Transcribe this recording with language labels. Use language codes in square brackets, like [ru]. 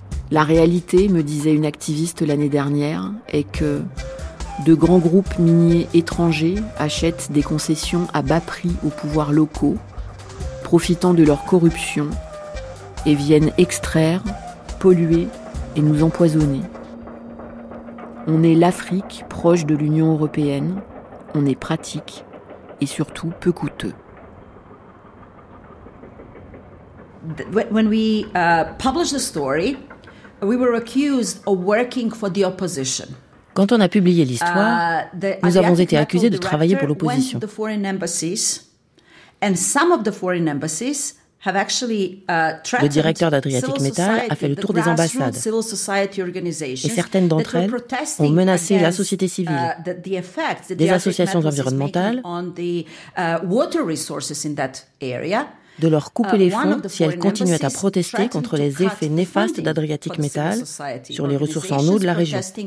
[fr] La réalité, me disait une activiste l'année dernière, est que de grands groupes miniers étrangers achètent des concessions à bas prix aux pouvoirs locaux, profitant de leur corruption, et viennent extraire, polluer et nous empoisonner. On est l'Afrique proche de l'Union européenne, on est pratique et surtout peu coûteux. [en] When we publish the story, we were accused of working for the opposition. [fr] Quand on a publié l'histoire, nous avons été accusés de travailler pour l'opposition. [en] The foreign embassies and some of the foreign embassies have actually [fr] le directeur d'Adriatic Metal a fait le tour des ambassades. [en] Civil society organizations, [fr] et certaines d'entre elles ont menacé la société civile, des associations environnementales, [en] on the water resources in that area, [fr] de leur couper les fonds si elles continuaient à protester contre les effets néfastes d'Adriatic Metal sur les ressources en eau de la région.